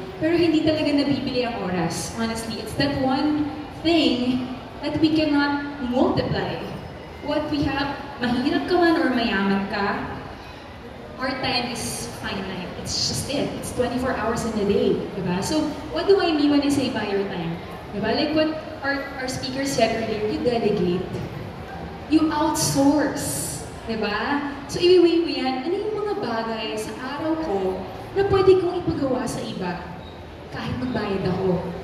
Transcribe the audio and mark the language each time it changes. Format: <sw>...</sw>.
<tl>Pero hindi talaga nabibili ang oras.</tl> <en>Honestly, it's that one thing that we cannot multiply. What we have,</en> <tl>mahirap ka man or mayaman ka,</tl> <en>our time is finite. It's just it. It's 24 hours in a day. Diba? So, what do I mean when I say buy your time? Diba? Like what our speaker said earlier, you delegate. You outsource.</en> <tl>Diba? So, iwiwi mo yan. Ano yung mga bagay sa araw ko na pwede kong ipagawa sa iba kahit magbayad ako?</tl>